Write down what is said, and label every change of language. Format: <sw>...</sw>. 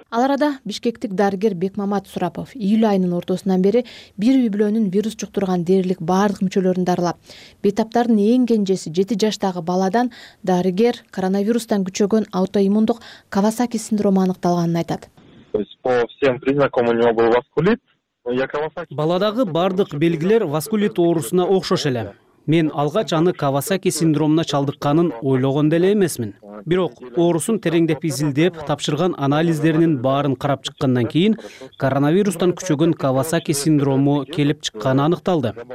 <ky>Ал арада бишкектик дарыгер Бекмамат Сурапов июль айынын ортосунан бери бир үй бүлөнүн вирус жуктурган дээрлик баардык мүчөлөрүн дарылап, бейтаптардын эң кенжеси 7 жаштагы баладан дарыгер коронавирустан күчөгөн аутоиммундук Кавасаки синдрому аныкталганын айтат.</ky> <ru>То есть по всем признакам у него был васкулит.</ru> <ky>Баладагы баардык белгилер васкулит оорусуна окшош эле. Мен алгач аны Кавасаки синдромуна чалдыкканын ойлогон деле эмесмин. Бирок оорусун тереңдеп изилдеп, тапшырган анализдеринин баарын карап чыккандан кийин коронавирустан күчөгөн Кавасаки синдрому келип чыкканы аныкталды.</ky>